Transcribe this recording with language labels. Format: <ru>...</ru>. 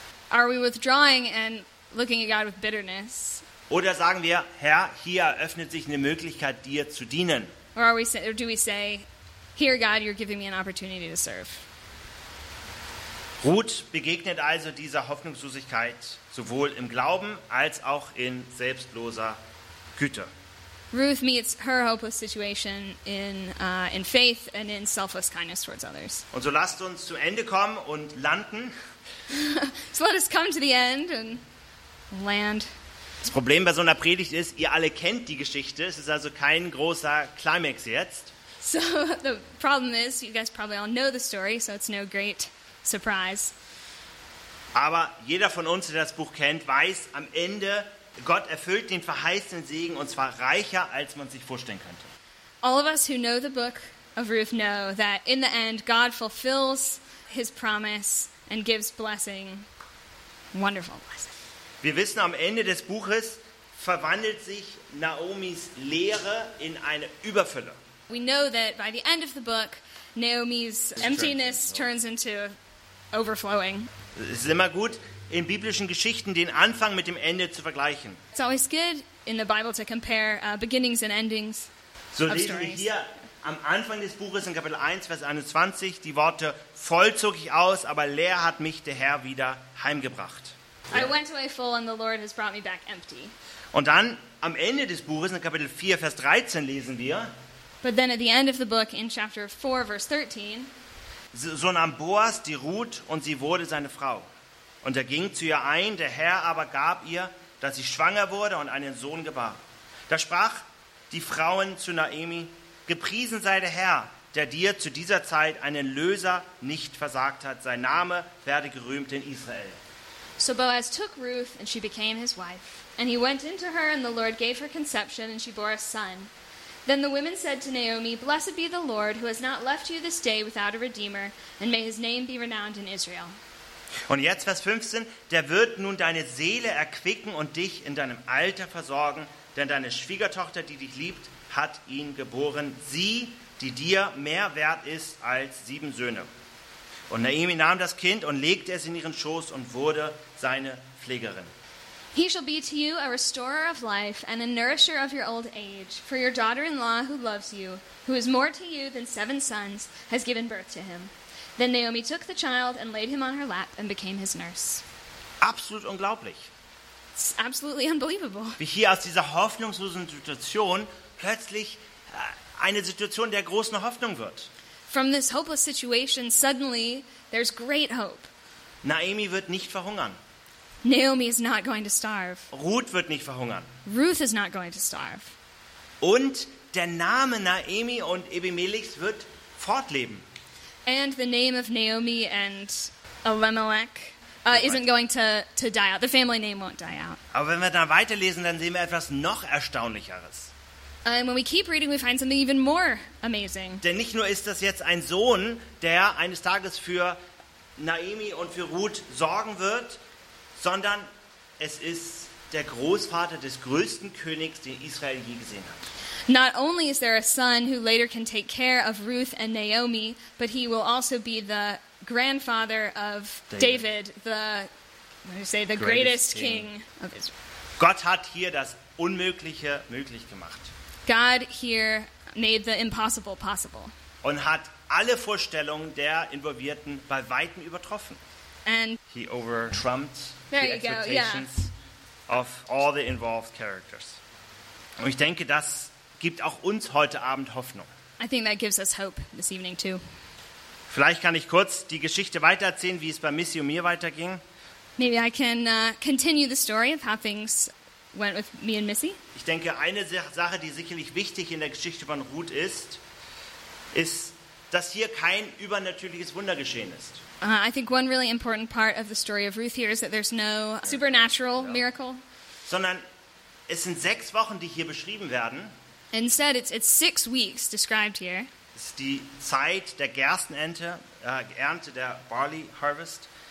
<en>Are we withdrawing and looking at God with bitterness?</en> <de>Oder sagen wir, Herr, hier eröffnet sich eine Möglichkeit, dir zu dienen.</de> <en>Or do we say, here God, you're giving me an opportunity to serve.</en> <de>Ruth begegnet also dieser Hoffnungslosigkeit sowohl im Glauben als auch in selbstloser Güte.</de> <en>Ruth meets her hopeless situation in faith and in selfless kindness towards others.</en> <de>Und so lasst uns zu Ende kommen und landen.</de> <en>So let us come to the end and land.</en> <de>Das Problem bei so einer Predigt ist, ihr alle kennt die Geschichte. Es ist also kein großer Climax jetzt.</de> <en>So the problem is, you guys probably all know the story, so it's no great surprise.</en> <de>Aber jeder von uns, der das Buch kennt, weiß, am Ende Gott erfüllt den verheißenen Segen und zwar reicher, als man sich vorstellen könnte.</de> <en>All of us who know the book of Ruth know that in the end God fulfills his promise and gives blessing, wonderful blessing.</en> <de>Wir wissen, am Ende des Buches verwandelt sich Naomis Leere in eine Überfülle.</de> <en>We know that by the end of the book, Naomi's emptiness turns into overflowing.</en> <de>Es ist immer gut, in biblischen Geschichten den Anfang mit dem Ende zu vergleichen.</de> <en>It's always good in the Bible to compare beginnings and endings.</en> <de>So lesen wir hier am Anfang des Buches in Kapitel 1, Vers 21 die Worte: Voll zog ich aus, aber leer hat mich der Herr wieder heimgebracht.</de> <en>I went away full and the Lord has brought me back empty.</en> <de>Und dann am Ende des Buches in Kapitel 4 Vers 13 lesen wir.</de> <en>But then at the end of the book in chapter 4 verse 13.</en> <de>So nahm Boas die Ruth und sie wurde seine Frau. Und er ging zu ihr ein, der Herr aber gab ihr, dass sie schwanger wurde und einen Sohn gebar. Da sprach die Frauen zu Naomi: Gepriesen sei der Herr, der dir zu dieser Zeit einen Löser nicht versagt hat. Sein Name werde gerühmt in Israel.</de> <en>So Boaz took Ruth, and she became his wife. And he went into her, and the Lord gave her conception, and she bore a son. Then the women said to Naomi, Blessed be the Lord, who has not left you this day without a redeemer, and may his name be renowned in Israel.</en> <de>Und jetzt Vers 15, der wird nun deine Seele erquicken und dich in deinem Alter versorgen, denn deine Schwiegertochter, die dich liebt, hat ihn geboren, sie, die dir mehr wert ist als 7 Söhne. Und Naomi nahm das Kind und legte es in ihren Schoß und wurde seine Pflegerin.</de> <en>He shall be to you a restorer of life and a nourisher of your old age. For your daughter-in-law who loves you, who is more to you than 7 sons, has given birth to him. Then Naomi took the child and laid him on her lap and became his nurse.</en> <de>Absolut unglaublich.</de> <en>It's absolutely unbelievable.</en> <de>Wie hier aus dieser hoffnungslosen Situation plötzlich eine Situation der großen Hoffnung wird.</de> <en>From this hopeless situation, suddenly there's great hope.</en> <de>Naomi wird nicht verhungern.</de> <en>Naomi is not going to starve.</en> <de>Ruth wird nicht verhungern.</de> <en>Ruth is not going to starve.</en> <de>Und der Name Naomi und Elimelechs wird fortleben.</de> <en>And the name of Naomi and Elimelech isn't going to die out. The family name won't die out.</en> <de>Aber wenn wir dann weiterlesen, dann sehen wir etwas noch Erstaunlicheres.</de> <en>And when we keep reading, we find something even more amazing.</en> <de>Denn nicht nur ist das jetzt ein Sohn, der eines Tages für Naomi und für Ruth sorgen wird, sondern es ist der Großvater des größten Königs, den Israel je gesehen hat.</de> <en>Not only is there a son who later can take care of Ruth and Naomi, but he will also be the grandfather of David, the greatest king of Israel.</en> <de>Gott hat hier das Unmögliche möglich gemacht.</de> <en>God here made the impossible possible.</en> <de>und hat alle Vorstellungen der Involvierten bei Weitem übertroffen.</de> <en>And he overtrumped the expectations of all the involved characters.</en> <de>Und ich denke, das gibt auch uns heute Abend Hoffnung.</de> <en>I think that gives us hope this evening too.</en> <de>Vielleicht kann ich kurz die Geschichte weitererzählen, wie es bei Missy und mir weiterging.</de> <en>Maybe I can continue the story of how things went with me and Missy.</en> <de>Ich denke, eine Sache, die sicherlich wichtig in der Geschichte von Ruth ist, ist, dass hier kein übernatürliches Wunder geschehen ist.</de> <en>I think one really important part of the story of Ruth here is that there's no supernatural miracle.</en> <de>Sondern es sind 6 Wochen, die hier beschrieben werden.</de> <en>Instead, it's 6 weeks described here.</en> <de>Es ist die Zeit der Gerstenernte, Ernte der</de> <en>Barley Harvest.</en>